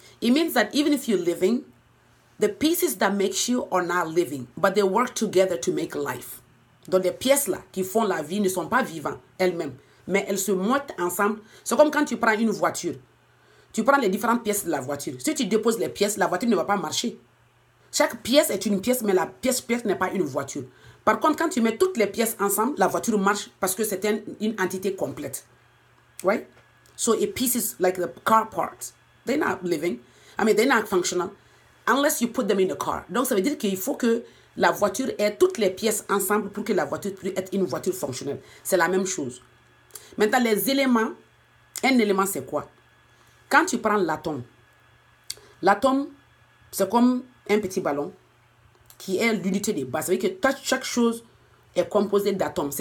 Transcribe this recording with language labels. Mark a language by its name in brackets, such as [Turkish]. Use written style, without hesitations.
[English] It means that even if you're living, the pieces that make you are not living, but they work together to make life. [French] Donc les pièces-là qui font la vie ne sont pas vivantes elles-mêmes, mais elles se mettent ensemble. C'est comme quand tu prends une voiture. Tu prends les différentes pièces de la voiture. Si tu déposes les pièces, la voiture ne va pas marcher. Chaque pièce est une pièce, mais la pièce n'est pas une voiture. Par contre, quand tu mets toutes les pièces ensemble, la voiture marche parce que c'est une entité complète. [English] Right? So a pieces like the car parts, they're not living. I mean, they're not functional unless you put them in the car. [French] Donc, ça veut dire qu'il faut que la voiture ait toutes les pièces ensemble pour que la voiture puisse être une voiture fonctionnelle. C'est la même chose. Maintenant, les éléments, un élément, c'est quoi? Quand tu prends l'atome, l'atome, c'est comme un petit ballon qui est l'unité de base. Ça veut dire que chaque chose est composée d'atomes.